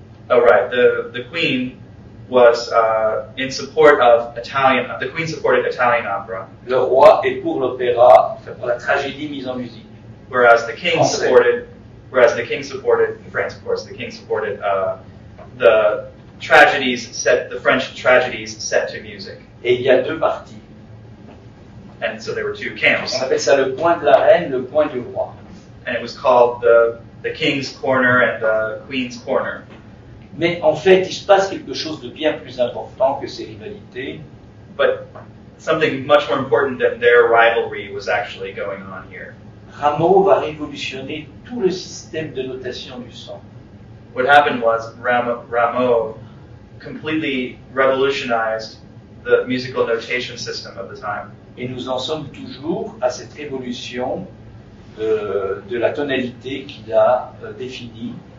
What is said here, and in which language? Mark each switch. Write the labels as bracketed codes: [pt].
[en] Oh right, the queen was in support of Italian. The queen supported Italian opera. [fr] Le roi est pour l'opéra, pour la tragédie mise en musique. [en] Whereas the king supported in France, of course, the king supported the French tragedies set to music. [fr] Et il y a deux parties. [en] And so there were two camps. [fr] On appelle ça le coin de la reine, le coin du roi. [en] And it was called the king's corner and the queen's corner. [fr] Mais en fait, il se passe quelque chose de bien plus important que ces rivalités. [en] But something much more important than their rivalry was actually going on here. [fr] Rameau va révolutionner tout le système de notation du son. [en] What happened was Rameau completely revolutionized the musical notation system of the time. [fr] Et nous en sommes toujours à cette révolution de la tonalité qu'il a définie.